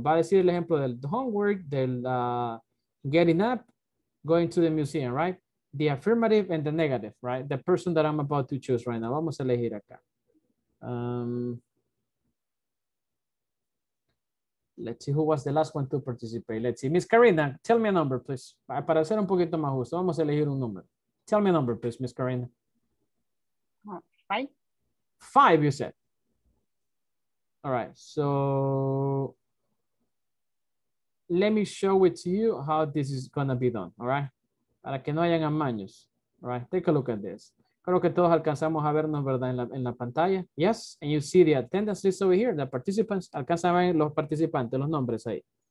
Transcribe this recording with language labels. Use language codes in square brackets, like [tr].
[es] Va a decir el ejemplo del [en] homework, del getting up, going to the museum, right? The affirmative and the negative, right? The person that I'm about to choose right now. [es] Vamos a elegir acá. [en] Let's see who was the last one to participate. Let's see. Miss Karina, tell me a number, please. [es] Para ser un poquito más justo, vamos a elegir un número. [en] Tell me a number, please, Miss Karina. Five, you said. All right. So let me show it to you how this is going to be done, all right? [es] Para que no hayan amaños. [en] All right, take a look at this. [es] Creo que todos alcanzamos a vernos, ¿verdad? En la pantalla. [en] Yes, and you see the attendance list over here, the participants. [es] Alcanzan a ver los participantes, los nombres ahí.